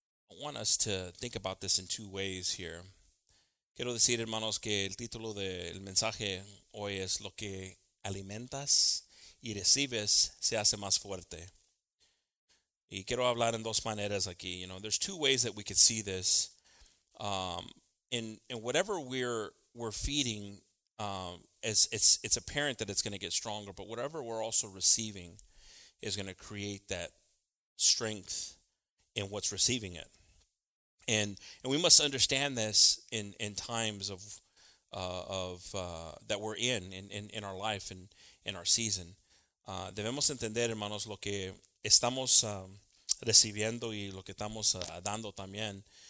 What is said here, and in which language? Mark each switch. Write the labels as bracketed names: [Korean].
[English] And I want us to think about this in two ways here. [Spanish] Quiero decir, hermanos, que el título del mensaje hoy es Lo que alimentas y recibes se hace más fuerte. Y quiero hablar en dos maneras aquí. [English] You know, there's two ways that we could see this. In whatever we're feeding, it's apparent that it's going to get stronger. But whatever we're also receiving is going to create that strength in what's receiving it. And we must understand this in times of that we're in our life and in our season. [Spanish] Debemos entender, hermanos, lo que estamos recibiendo y lo que estamos dando también.